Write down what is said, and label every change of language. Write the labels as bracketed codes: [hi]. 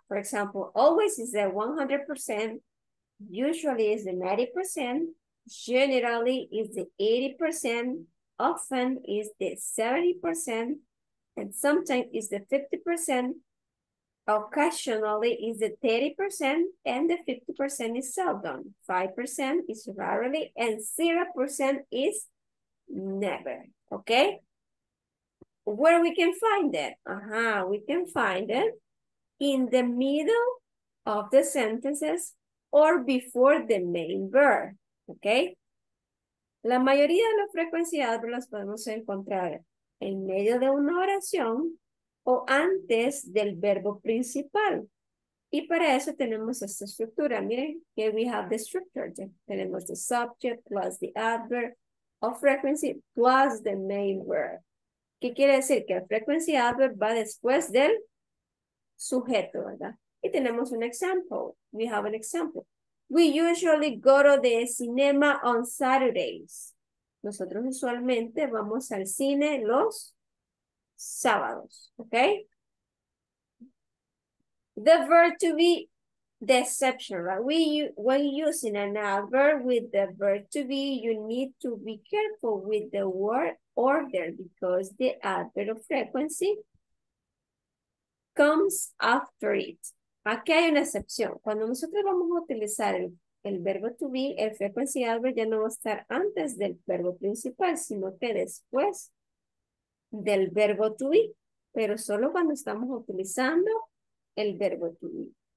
[en] For example, always is the 100%, usually is the 90%, generally is the 80%, often is the 70%, and sometimes it's the 50%, occasionally is the 30%, and the 50% is seldom. 5% is rarely, and 0% is Never. Okay. Where we can find it? We can find it in the middle of the sentences or before the main verb. Okay. [es] La mayoría de las frecuencias de adverbios las podemos encontrar en medio de una oración o antes del verbo principal. Y para eso tenemos esta estructura. Miren, [en] here we have the structure. [es] Tenemos [en] the subject plus the adverb of frequency plus the main verb. [es] ¿Qué quiere decir? Que el frequency adverb va después del sujeto, ¿verdad? Y tenemos un [en] example. We have an example. We usually go to the cinema on Saturdays. [es] Nosotros usualmente vamos al cine los sábados, ¿ok? [en] The verb to be, deception, right? When using an adverb with the verb to be, you need to be careful with the word order because the adverb of frequency comes after it. [es] Aquí hay una excepción. Cuando nosotros vamos a utilizar el verbo to be, el frequency adverb ya no va a estar antes del verbo principal, sino que después del verbo to be, pero solo cuando estamos utilizando el verbo to be.